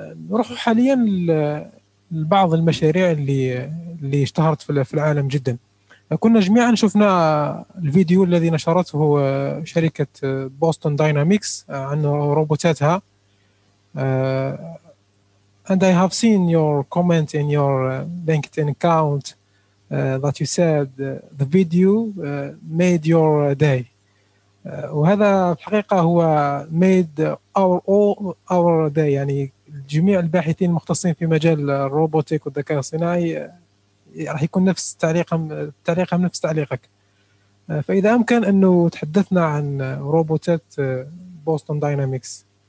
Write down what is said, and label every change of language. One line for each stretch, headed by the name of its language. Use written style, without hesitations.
Arabic: نروح حاليا لبعض المشاريع اللي اشتهرت في العالم جدا. كنا جميعا شفنا الفيديو الذي نشرته شركة بوستون داينامكس عن روبوتاتها.
English: And I have seen your comment in your LinkedIn account that you said the video made your day.
Arabic: وهذا الحقيقة هو
English: made our day.
Arabic: يعني جميع الباحثين المختصين في مجال الروبوتيك والذكاء الصناعي راح يكون نفس تعليقهم نفس تعليقك. فإذا أمكن أنه تحدثنا عن روبوتات بوستون داينامكس.